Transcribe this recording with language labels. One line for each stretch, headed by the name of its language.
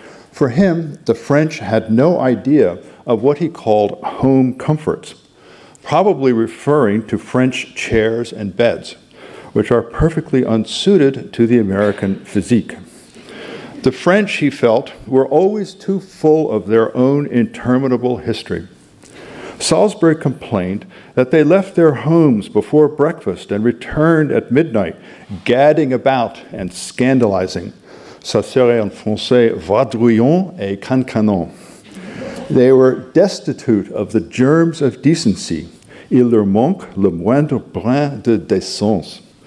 English: For him, the French had no idea of what he called home comforts, probably referring to French chairs and beds, which are perfectly unsuited to the American physique. The French, he felt, were always too full of their own interminable history. Salisbury complained that they left their homes before breakfast and returned at midnight, gadding about and scandalizing.
French: Ça serait en français vadrouillon et cancanon.
English: They were destitute of the germs of decency.
French: Il leur manque le moindre brin de décence.